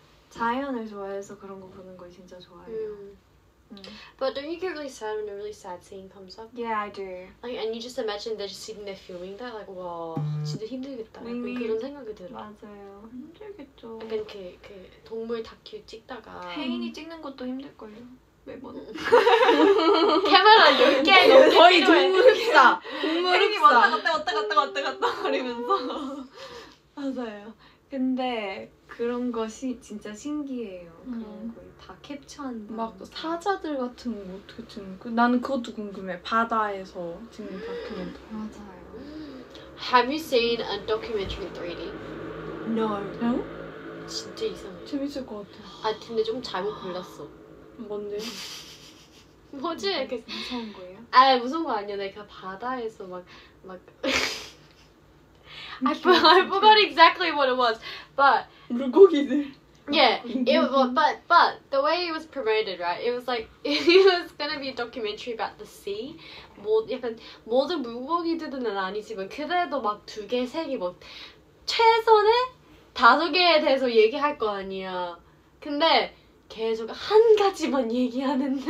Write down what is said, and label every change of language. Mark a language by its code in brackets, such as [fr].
[ko] 자연을 좋아해서 그런 거 보는 거 진짜 좋아해요. [en] But don't you get really sad when a really sad scene comes up? Yeah, I do. Like, and you just imagine they're just sitting there filming that, like, wow, [ko] 진짜 힘들겠다. 그런 생각이 들어. 맞아요. 힘들겠죠. 약간 그 동물 다큐 찍다가. 혜인이 찍는 것도 힘들걸요. 매번. 카메라 10개 넘게 거의 동물흡사. 동물흡사. 왔다 갔다 거리면서. 맞아요. 근데 그런 것이 진짜 신기해요. 그런 걸 다 캡처한다. 막 사자들 같은 거 어떻게 찍는 거? 나는 그것도 궁금해. 바다에서 찍는 다큐멘터. 맞아요. [en] Have you seen a documentary 3D? No. No? [ko] 진짜 이상해. 재밌을 것 같아. 아 근데 좀 잘못 골랐어. 뭔데? 뭐지? 무서운 거예요? 아 무서운 거 아니야. 내가 바다에서 막 [en] I forgot exactly what it was, but [ko] 물고기들. [en] Yeah, it was, but the way it was promoted, right, it was like, it was gonna be a documentary about the sea. [ko] 뭐, 약간, 모든 물고기들은 아니지만, 그래도 막 두 개, 세 개, 뭐, 최소한 다섯 개에 대해서 얘기할 거 아니야. 근데, 계속 한 가지만 얘기하는데.